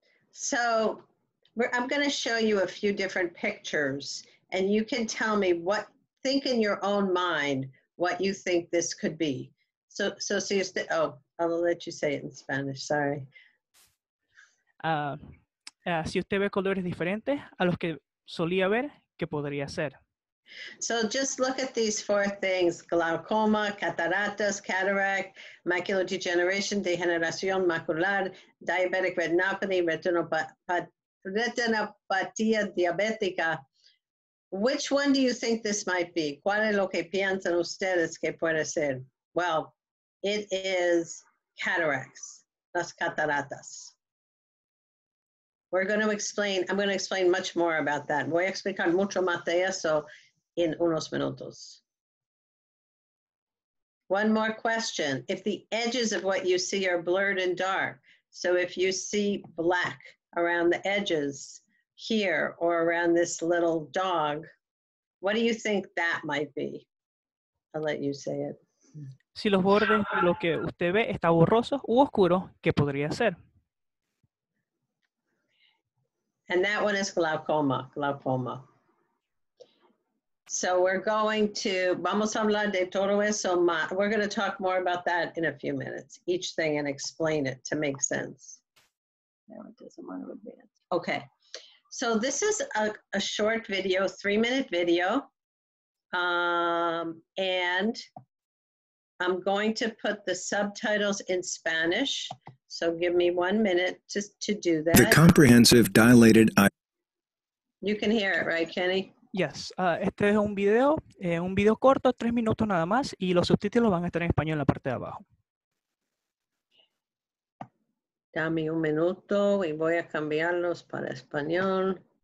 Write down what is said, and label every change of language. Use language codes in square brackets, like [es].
[en] So I'm going to show you a few different pictures and you can tell me what, think in your own mind, what you think this could be. I'll let you say it in Spanish, sorry. [es] Si usted ve colores diferentes a los que solía ver, ¿qué podría ser? [en] So just look at these four things, glaucoma, cataratas, cataract, macular degeneration, [es] degeneración macular, [en] diabetic retinopathy, [es] retinopatía diabética. [en] Which one do you think this might be? [es] ¿Cuál es lo que piensan ustedes que puede ser? [en] Well, it is cataracts, [es] las cataratas. [en] I'm going to explain much more about that. [es] Voy a explicar mucho más de eso en unos minutos. [en] One more question. If the edges of what you see are blurred and dark, so if you see black around the edges here or around this little dog, what do you think that might be? I'll let you say it. [es] Si los bordes de lo que usted ve está borroso u oscuro, ¿qué podría ser? [en] And that one is glaucoma. So we're going to, [es] vamos a hablar de todo eso, [en] we're going to talk more about that in a few minutes, each thing, and explain it to make sense. No, it doesn't want to advance. Okay. So this is a short video, 3-minute video, and I'm going to put the subtitles in Spanish, so give me 1 minute to do that. The comprehensive dilated eye. You can hear it, right, Kenny? [es] Yes, este es un video corto, 3 minutos nada más, y los subtítulos van a estar en español en la parte de abajo. Dame un minuto y voy a cambiarlos para español.